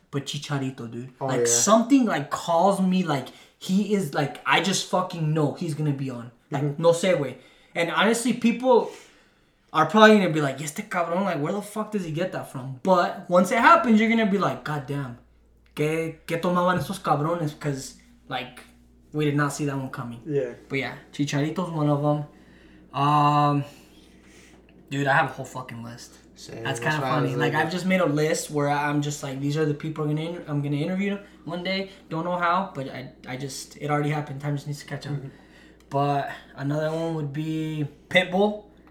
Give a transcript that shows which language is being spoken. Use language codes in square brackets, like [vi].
[en] But Chicharito, dude. Oh, like, something, like, calls me, like, he is, like, I just fucking know he's going to be on. Like, [es] no se güey. [en] And honestly, people... are probably going to be like, [es] este cabrón, [en] like, where the fuck does he get that from? But once it happens, you're going to be like, God damn. [es] ¿Qué tomaban esos cabrones? [en] Because, like, we did not see that one coming. Yeah. But yeah, Chicharito's one of them. Dude, I have a whole fucking list. Same. That's kind of funny. Like, I've just made a list where I'm just like, these are the people I'm going to interview one day. Don't know how, but I just, it already happened. Time just needs to catch up. But another one would be Pitbull.